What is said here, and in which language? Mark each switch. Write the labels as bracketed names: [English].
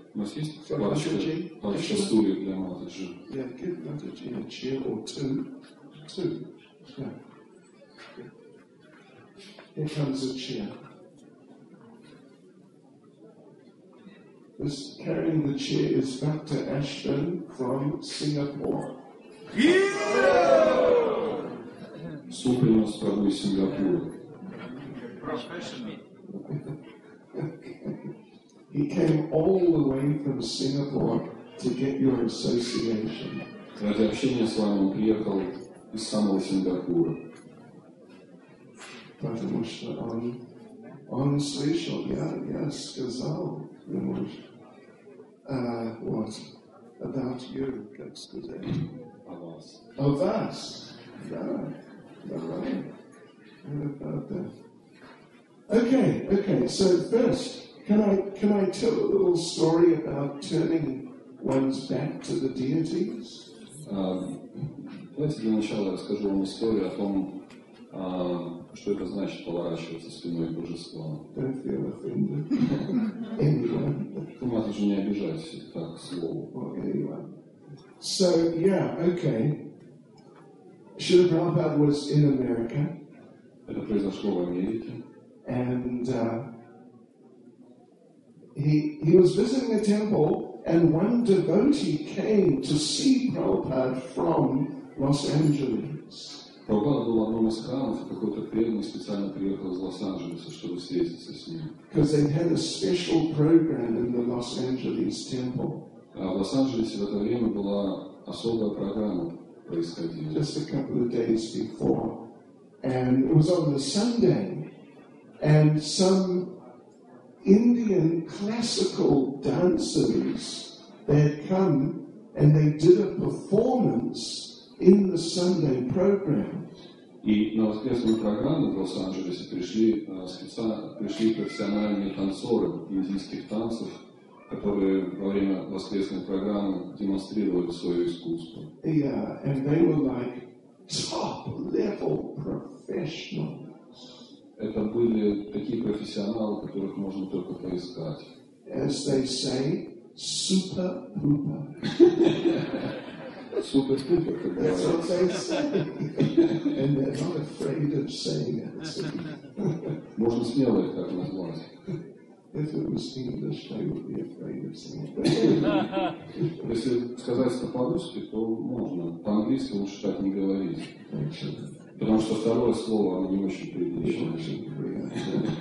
[Russian] У нас есть парочка стульев для молодежи. [English] Yeah, get not a chair, a chair or two. Two. Yeah. Here comes a chair. This carrying the chair is back to Ashton from Singapore. Yeah! [Russian] Супер, у нас правда из Сингапура. [English] He came all the way from Singapore to get your association. [Russian] Ради общения с вами он приехал из самого Сингапура. Потому что он слышал, я сказал ему, [English] what about you, [Russian] как сказать? О вас. О вас? Да, да, да. [English] What about that? Okay, so first, can I tell a little story about turning one's back to the deities? [Russian] Давайте для начала расскажу вам историю о том, что это значит поворачиваться спиной к божествам. [English] Don't feel offended. Anyone. [Russian] Вы можете не обижать так слово. [English] Anyone. So, yeah, okay. Srila Prabhupada was in America. [Russian] Это произошло в Америке. [English] And he was visiting a temple, and one devotee came to see Prabhupada from Los Angeles. [Russian] Prabhupada был одним из храмов, и какой-то преданный специально приехал из Лос-Анджелеса, чтобы встретиться с ним. [English] Because they had a special program in the Los Angeles temple. [Russian] В Лос-Анджелесе в это время была особая программа происходила. [English] Just a couple of days before, and it was on the Sunday. And some Indian classical dancers, they had come and they did a performance in the Sunday program. [Russian] И на воскресную программу в Лос-Анджелесе пришли профессиональные танцоры индийских танцев, которые во время воскресной программы демонстрировали свое искусство. [English] Yeah, and they were like top-level professionals. [Russian] Это были такие профессионалы, которых можно только поискать. [English] As they say, super pooper. Super pooper. That's what they say. And they're not afraid of saying it. [Russian] Можно смело их так назвать. [English] If it was English, they would be afraid of saying it. [Russian] Если сказать это по-русски, то можно. По-английски лучше так не говорить. Потому что второе слово, оно не очень приличное.